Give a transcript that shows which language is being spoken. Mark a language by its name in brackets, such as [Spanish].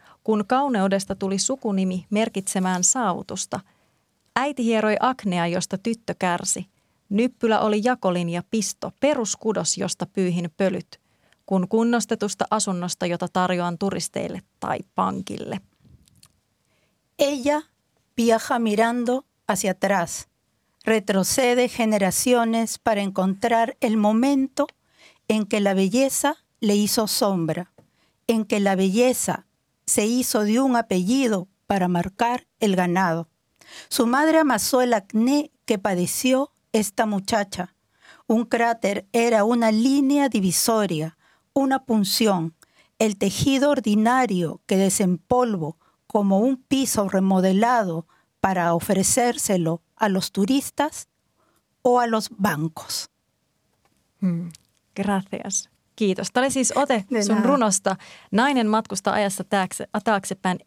[Finnish] Kun kauneudesta tuli sukunimi merkitsemään saavutusta. Äiti hieroi aknea, josta tyttö kärsi. Nyppylä oli jakolinja pisto, peruskudos, josta pyyhin pölyt, kun kunnostetusta asunnosta, jota tarjoan turisteille tai pankille. [Spanish] Ella viaja mirando hacia atrás. Retrocede generaciones para encontrar el momento en que la belleza le hizo sombra, en que la belleza se hizo de un apellido para marcar el ganado. Su madre amasó el acné que padeció esta muchacha. Un cráter era una línea divisoria, una punción, el tejido ordinario que desempolvo como un piso remodelado para ofrecérselo a los turistas o a los bancos. Gracias. [Finnish] Kiitos. Tämä oli siis ote sun runosta. Nainen matkustaa ajassa taaksepäin.